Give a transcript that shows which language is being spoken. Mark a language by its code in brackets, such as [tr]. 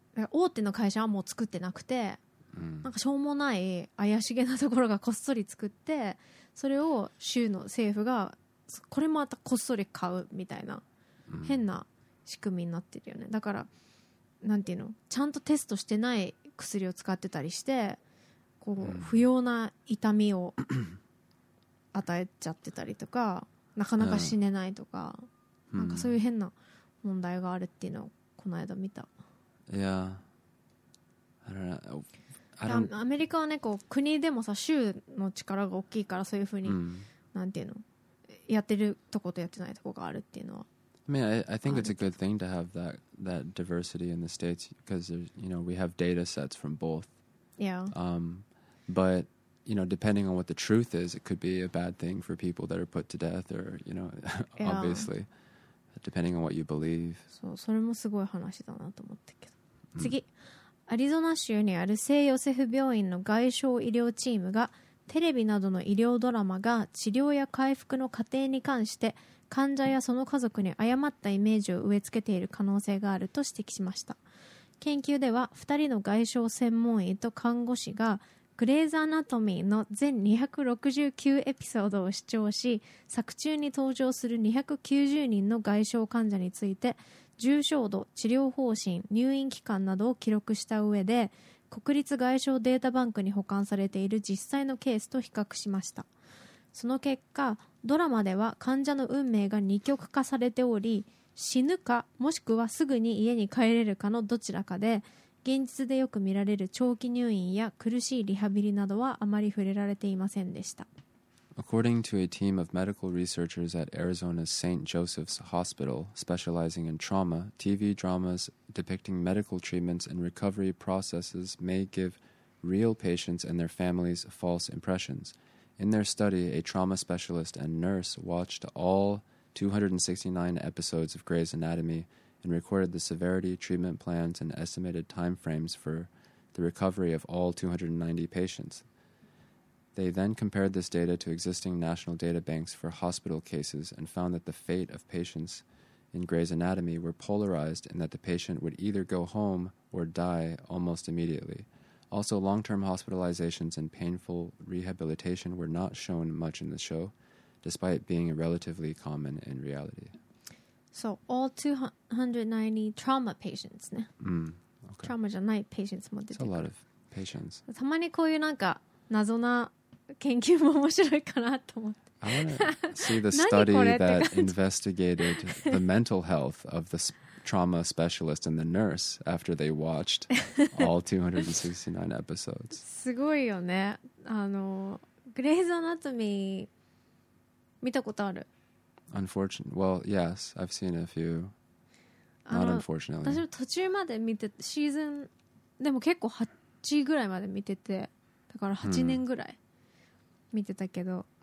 [ja] 大手の会社はもう作ってなくて。なんかしょうもない怪しげなところがこっそり作ってそれを州の政府がこれまたこっそり買うみたいな変な仕組みになってるよねだからなんていうのちゃんとテストしてない薬を使ってたりしてこう不要な痛みを与えちゃってたりとかなかなか死ねないとかなんかそういう変な問題があるっていうのをこの間見たいや、 [en] yeah. I don't know [ja] アメリカはねこう国でもさ州の力が大きいからそういうふうに、うん、なんていうのやってるとことやってないとこがあるっていうのは [en] I mean I think it's a good thing to have that diversity in the states because you know we have data sets from both yeah but you know depending on what the truth is it could be a bad thing for people that are put to death or you know obviously depending on what you believe [ja] そう、それもすごい話だなと思ったけど、うん、次アリゾナ州にある聖ヨセフ病院の外傷医療チームがテレビなどの医療ドラマが治療や回復の過程に関して患者やその家族に誤ったイメージを植え付けている可能性があると指摘しました研究では2人の外傷専門医と看護師がグレーズアナトミーの全269エピソードを視聴し作中に登場する290人の外傷患者について重症度、治療方針、入院期間などを記録した上で国立外傷データバンクに保管されている実際のケースと比較しましたその結果ドラマでは患者の運命が二極化されており死ぬかもしくはすぐに家に帰れるかのどちらかで現実でよく見られる長期入院や苦しいリハビリなどはあまり触れられていませんでした [en] According to a team of medical researchers at Arizona's St. Joseph's Hospital, specializing in trauma, TV dramas depicting medical treatments and recovery processes may give real patients and their families false impressions. In their study, a trauma specialist and nurse watched all 269 episodes of Grey's Anatomy and recorded the severity, treatment plans, and estimated timeframes for the recovery of all 290 patients. They then compared this data to existing national data banks for hospital cases and found that the fate of patients in Grey's Anatomy were polarized and that the patient would either go home or die almost immediately. Also, long-term hospitalizations and painful rehabilitation were not shown much in the show, despite being relatively common in reality. So all 290 trauma patients [ja] ね。うん。 [en] Okay. [ja] トラウマじゃないペーシェンツも出てくる。 [en] It's a lot of patients. [ja] たまにこういうなんか謎な研究も面白いかなと思って。 [en] I want to see the study that investigated the mental health of the trauma specialist and the nurse after they watched all 269 episodes. [ja] すごいよね。あの、グレイズアナトミー見たことある？ [en] Unfortunately, well, yes, I've seen a few. Not unfortunately. [ja] 私も途中まで見てシーズンでも結構8ぐらいまで見てて、だから8年ぐらい見てたけど。